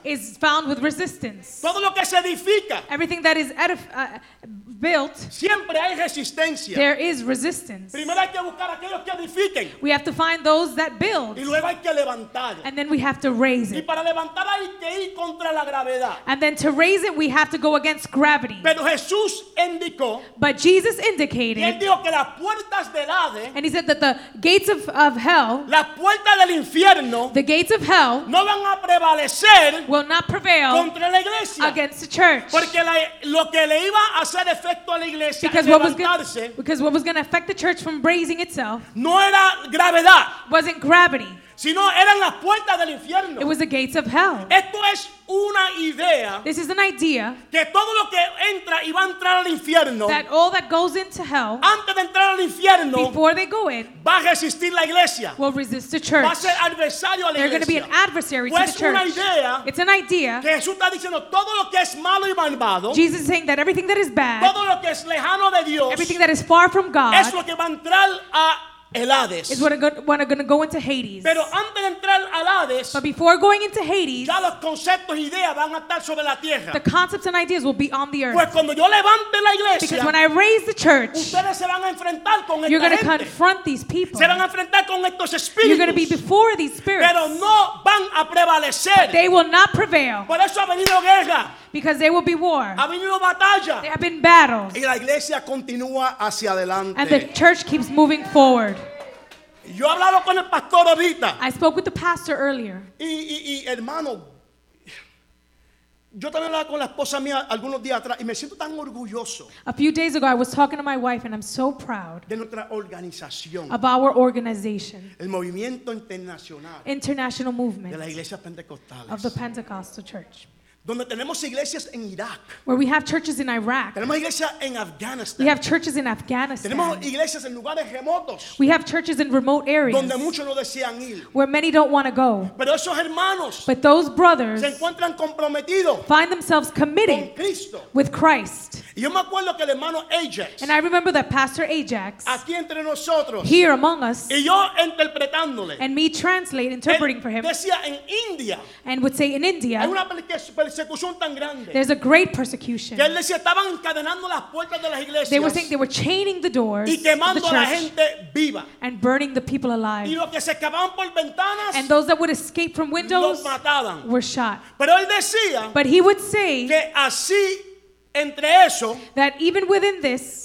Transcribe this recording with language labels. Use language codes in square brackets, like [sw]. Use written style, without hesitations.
[en] is found with resistance. [es] Todo lo que se edifica, [en] everything that is built, [es] siempre hay resistencia. [en] There is resistance. [es] Primero hay que buscar aquellos que edifiquen. [en] We have to find those that build. [es] Y luego hay que levantar. [en] And then we have to raise it. [es] Y para levantar hay que ir contra la gravedad. [en] And then to raise it, we have to go against gravity. [es] Pero Jesús indicó, [en] but Jesus indicated, [es] y él dijo que las puertas del Hades, [en] and he said that the gates of hell, [es] las puertas del infierno, [en] the gates of hell, [es] no van a prevalecer, [en] will not prevail [es] contra la iglesia, [en] against the church. [es] Porque la, lo que le iba a hacer efecto a la iglesia, [en] because what was going to affect the church from raising itself, [es] no era gravedad, [en] wasn't gravity, [es] sino eran las puertas del infierno. [en] It was the gates of hell. [es] Esto es una idea. [en] This is an idea. [es] Que todo lo que entra y va a entrar al infierno. [en] That all that goes into hell. [es] Antes de entrar al infierno. [en] Before they go in. [es] Va a resistir la iglesia. [en] Will resist the church. [es] Va a ser adversario a la iglesia. [en] They're going to be an adversary to the church. [es] Pues es una idea. [en] It's an idea. [es] Que Jesús está diciendo todo lo que es malo y malvado. [en] Jesus is saying that everything that is bad. [es] Todo lo que es lejano de Dios. [en] Everything that is far from God. [es] Es lo que va a entrar a [en] is what are going to go into Hades. [es] Pero antes de entrar al Hades, [en] but before going into Hades, [es] ya los conceptos y ideas van a estar sobre la tierra. [en] The concepts and ideas will be on the earth. [es] Pues cuando yo levante la iglesia, [en] because when I raise the church, [es] ustedes se van a enfrentar con [en] you're going to confront these people. [es] Se van a enfrentar con estos espíritus. [en] You're going to be before these spirits. [es] Pero no van a prevalecer. [en] They will not prevail. [es] Por eso ha venido guerra. [en] Because there will be war. [es] Ha venido batalla. [en] There have been battles. [es] Y la iglesia continúa hacia adelante. [en] And the church keeps moving forward. [es] Yo hablaba con el pastor ahorita. [en] I spoke with the pastor earlier. [es] Y hermano, yo también hablaba con la esposa mía algunos días atrás y me siento tan orgulloso. [en] A few days ago, I was talking to my wife and I'm so proud. [es] De nuestra organización. [en] Of our organization. [es] El movimiento internacional. [en] International movement. [es] De la iglesia pentecostal. [en] Of the Pentecostal church. [es] Donde tenemos iglesias en Irak. [en] Where we have churches in Iraq. [es] Tenemos iglesias en Afganistán. [en] We have churches in Afghanistan. [es] Tenemos iglesias en lugares remotos. [en] We have churches in remote areas. [es] Donde muchos no desean ir. [en] Where many don't want to go. [es] Pero esos hermanos. [en] But those brothers. [es] Se encuentran comprometidos. [en] Find themselves committed. [es] Con Cristo. [en] With Christ. [es] Y yo me acuerdo que el hermano Ajax. [en] And I remember that Pastor Ajax. [es] Aquí entre nosotros. [en] Here among us. [es] Y yo interpretándole. [en] And me translate, interpreting for him. [es] Decía en India. [en] And would say in India. [es] Hay una película. Persecución tan grande. [en] There's a great persecution. [es] Que él decía, estaban encadenando las puertas de las iglesias. [en] They were saying they were chaining the doors. [es] Y quemando a la gente viva. [en] And burning the people alive. [es] Y los que se escapaban por ventanas. [en] And those that would escape from windows. [es] Los mataban. [en] Were shot. [es] Pero él decía. [en] But he would say. [es] Que así. Entre eso. [en] That even within this.